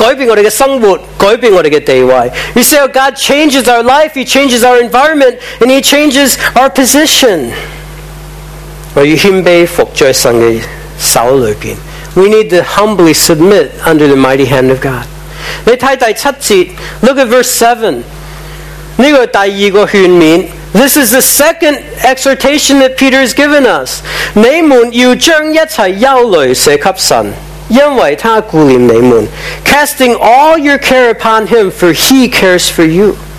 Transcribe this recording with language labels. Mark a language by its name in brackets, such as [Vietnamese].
[Chinese] 我们的身份，看到神改变我们的环境，改变我们的生活，改变我们的地位。 [English] You see how God changes our life, He changes our environment, and He changes our position. [Chinese] 我们谦卑服在神的手里边。 [English] We need to humbly submit under the mighty hand of God. [Chinese] 你看第七节， [English] look at verse 7. [Chinese] 这个第二个劝勉, [English] this is the second exhortation that Peter has given us. [Chinese] 你们要将一切忧虑舍给神，因为他顾念你们, [English] casting all your care upon him, for he cares for you.